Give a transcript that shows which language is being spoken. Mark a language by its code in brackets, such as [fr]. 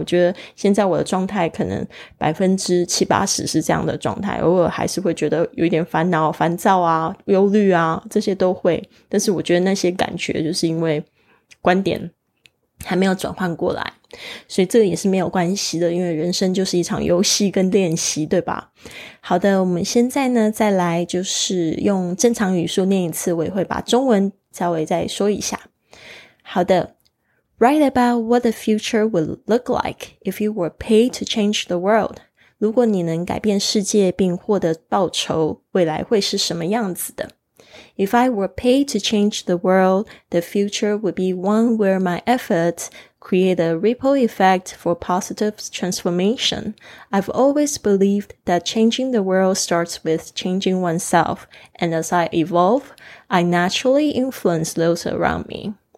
[zh] 我觉得现在我的状态可能百分之七八十是这样的状态，偶尔还是会觉得有一点烦恼烦躁啊忧虑啊这些都会，但是我觉得那些感觉就是因为观点还没有转换过来，所以这个也是没有关系的，因为人生就是一场游戏跟练习，对吧？好的，我们现在呢再来就是用正常语速念一次，我也会把中文稍微再说一下。 [en] 好的， Write about what the future would look like if you were paid to change the world. [zh] 如果你能改变世界并获得报酬，未来会是什么样子的？ [en] If I were paid to change the world, the future would be one where my efforts create a ripple effect for positive transformation. I've always believed that changing the world starts with changing oneself, and as I evolve, I naturally influence those around me.